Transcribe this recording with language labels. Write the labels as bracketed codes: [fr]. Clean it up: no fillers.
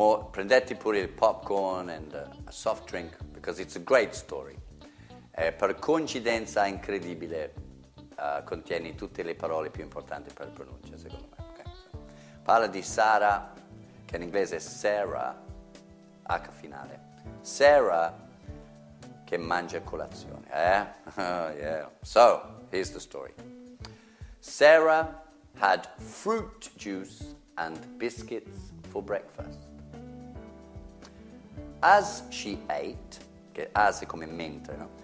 [it] Prendete pure il [en] popcorn and a soft drink because it's a great story. [it] Per coincidenza incredibile contiene tutte le parole più importanti per pronuncia, secondo me. Okay. Parla di Sarah, che in inglese è Sarah, H finale. Sarah che mangia colazione, eh? Yeah. [en] So, here's the story. Sarah had fruit juice and biscuits for breakfast. As she ate, [it] che as è come mentre, no?